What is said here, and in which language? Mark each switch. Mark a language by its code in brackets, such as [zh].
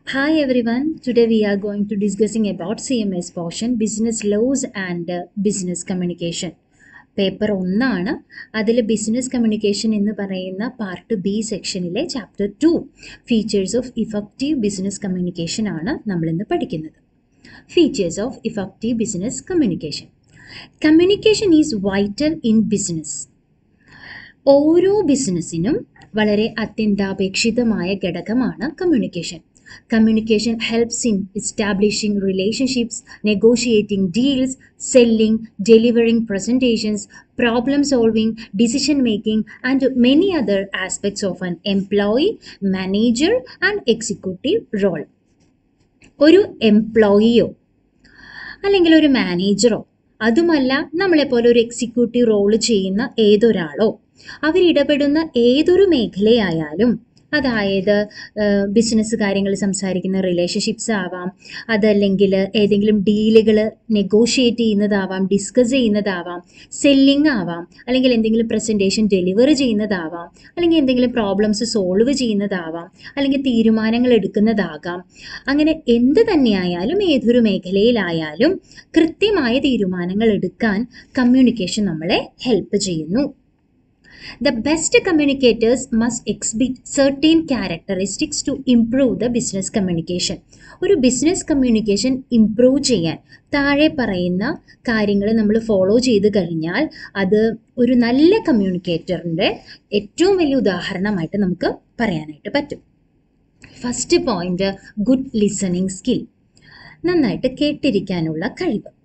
[en] Hi everyone, today we are going to discussing about CMS portion, business laws and business communication. [ml] Paper 1 ആണ് അതിൽ business communication എന്ന് പറയുന്ന part B സെക്ഷനിലെ chapter 2 features of effective business communication ആണ് നമ്മളിന്ന് പഠിക്കുന്നത്. [en] Features of effective business communication. Communication is vital in business. [ml] ഓരോ ബിസിനസ്സിനും വളരെ അത്യന്താപേക്ഷിതമായ ഘടകമാണ് communication. [en] Communication helps in establishing relationships, negotiating deals, selling, delivering presentations, problem solving, decision making, and many other aspects of an employee, manager, and executive role. [ml] ഒരു എംപ്ലോയിയോ അല്ലെങ്കിൽ ഒരു മാനേജറോ അതുമല്ല നമ്മളെപ്പോലെ ഒരു executive role ചെയ്യുന്ന ഏതൊരാളോ അവരിടപെടുന്ന ഏതൊരു മേഖലയായാലും, അതായത് ബിസിനസ് കാര്യങ്ങൾ സംസാരിക്കുന്ന റിലേഷൻഷിപ്സ് ആവാം, അതല്ലെങ്കിൽ ഏതെങ്കിലും ഡീലുകൾ നെഗോഷിയേറ്റ് ചെയ്യുന്നതാവാം, ഡിസ്കസ് ചെയ്യുന്നതാവാം, സെല്ലിംഗ് ആവാം, അല്ലെങ്കിൽ എന്തെങ്കിലും പ്രസൻറ്റേഷൻ ഡെലിവറി ചെയ്യുന്നതാവാം, അല്ലെങ്കിൽ എന്തെങ്കിലും പ്രോബ്ലംസ് സോൾവ് ചെയ്യുന്നതാവാം, അല്ലെങ്കിൽ തീരുമാനങ്ങൾ എടുക്കുന്നതാകാം, അങ്ങനെ എന്ത് തന്നെയായാലും ഏതൊരു മേഖലയിലായാലും കൃത്യമായ തീരുമാനങ്ങൾ എടുക്കാൻ കമ്മ്യൂണിക്കേഷൻ നമ്മളെ ഹെൽപ്പ് ചെയ്യുന്നു. [en] The best communicators must exhibit certain characteristics to improve the business communication. [ml] ഒരു ബിസിനസ് കമ്മ്യൂണിക്കേഷൻ ഇംപ്രൂവ് ചെയ്യാൻ താഴെ പറയുന്ന കാര്യങ്ങൾ നമ്മൾ ഫോളോ ചെയ്ത് കഴിഞ്ഞാൽ അത് ഒരു നല്ല കമ്മ്യൂണിക്കേറ്ററിൻ്റെ ഏറ്റവും വലിയ ഉദാഹരണമായിട്ട് നമുക്ക് പറയാനായിട്ട് പറ്റും. [en] First point, good listening skill. [ml] നന്നായിട്ട് കേട്ടിരിക്കാനുള്ള കഴിവ്.